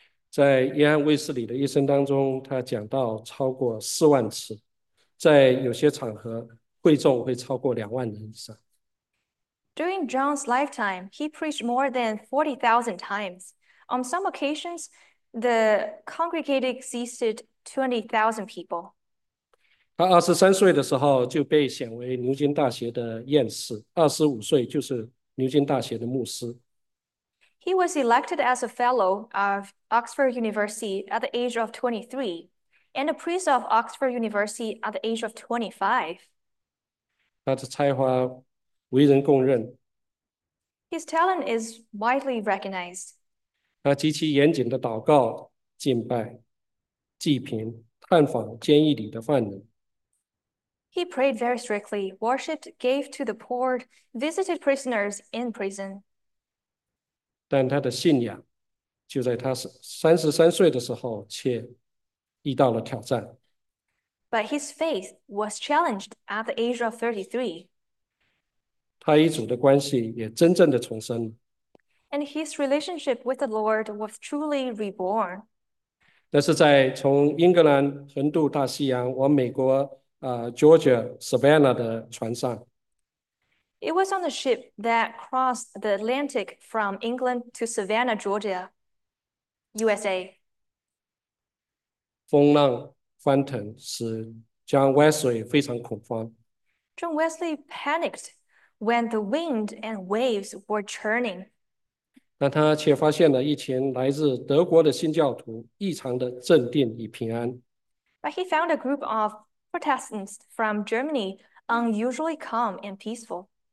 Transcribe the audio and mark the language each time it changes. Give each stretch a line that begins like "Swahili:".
Chinese: 在约翰·卫斯理的一生当中，他讲道超过40000次，在有些场合，会众会超过20000人以上。
English: During John's lifetime, he preached more than 40,000 times. On some occasions, the congregation exceeded 20,000 people.
Chinese: 他23岁的时候就被选为牛津大学的院士，25岁就是牛津大学的牧师。
English: He was elected as a fellow of Oxford University at the age of 23, and a priest of Oxford University at the age of 25.
Chinese: 他的才华为人公认。
English: His talent is widely recognized.
Chinese: 他极其严谨的祷告、敬拜、祭品、探访监狱里的犯人。
English: He prayed very strictly, worshipped, gave to the poor, visited prisoners in prison.
Chinese: 但他的信仰就在他33岁的时候却遇到了挑战。
English: But his faith was challenged at the age of 33.
Chinese: 他与主的关系也真正的重生。
English: And his relationship with the Lord was truly reborn.
Chinese: 那是在从英格兰横渡大西洋往美国Georgia Savannah 的船上。
English: It was on the ship that crossed the Atlantic from England to Savannah, Georgia, USA.
Chinese: 风浪翻腾使 John Wesley 非常恐慌。
English: John Wesley panicked when the wind and waves were churning.
Chinese: 但他却发现了一群来自德国的新教徒异常的镇定与平安。
English: But he found a group of Protestants from Germany unusually calm and peaceful.